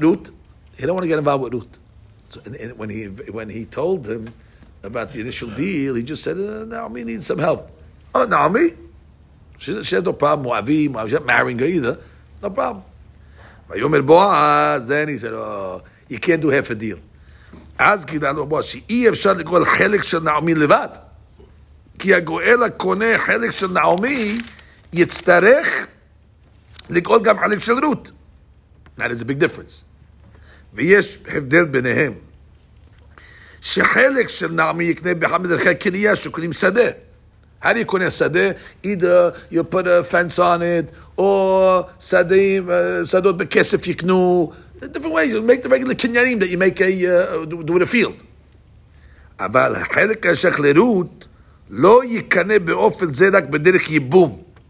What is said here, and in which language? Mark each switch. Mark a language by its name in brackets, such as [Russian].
[English] Ruth, he don't want to get involved with Ruth. So and when he told him about the initial deal, he just said, Naomi needs some help. Oh, Naomi? She has no problem. Moavi, she's not marrying her either. No problem. But Yomer Boaz, then he said, oh, you can't do half a deal. [Hebrew] אז גידה לו בועז, שאי אפשר לגאול חלק של נעמי לבד. כי הגואל הקונה חלק של נעמי יצטרך לגאול גם חלק של רות. [English] That is a big difference. [Hebrew] ויש הבדל ביניהם. שחלק של נעמי יקנה באחד מדרכי הקנייה שקונים שדה. [English] How do you [Hebrew] קונה שדה? [English] Either you put a fence on it, or [Hebrew] שדים, שדות בכסף יקנו. [English] Different ways. You make the regular kinyanim that you make do with a field. [Hebrew] אבל החלק השייך לרות לא יקנה באופן זה רק בדרך ייבום.